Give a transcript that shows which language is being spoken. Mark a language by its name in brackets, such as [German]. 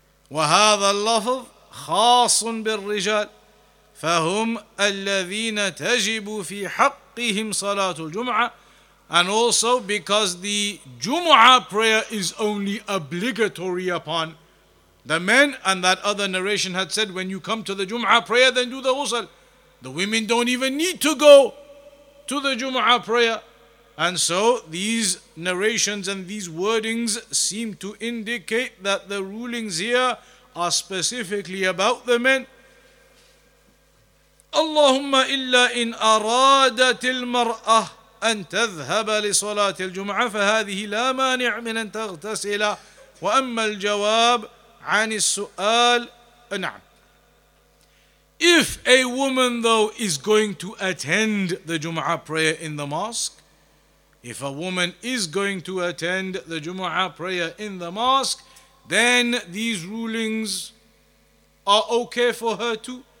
[Arabic] وهذا اللفظ خاص بالرجال فهم الذين تجب في حقهم صلاة الجمعة. [English] And also because the Jumu'ah prayer is only obligatory upon the men, and that other narration had said, when you come to the Jumu'ah prayer, then do the ghusl. The women don't even need to go to the Jumu'ah prayer. And so these narrations and these wordings seem to indicate that the rulings here are specifically about the men. [Arabic] اللهم إلا إن أرادت المرأة أن تذهب لصلاة الجمعة فهذه لا مانع من أن تغتسل. وأما الجواب عن السؤال نعم. [English] If a woman though is going to attend the Jum'ah prayer in the mosque, if a woman is going to attend the Jum'ah prayer in the mosque, then these rulings are okay for her too.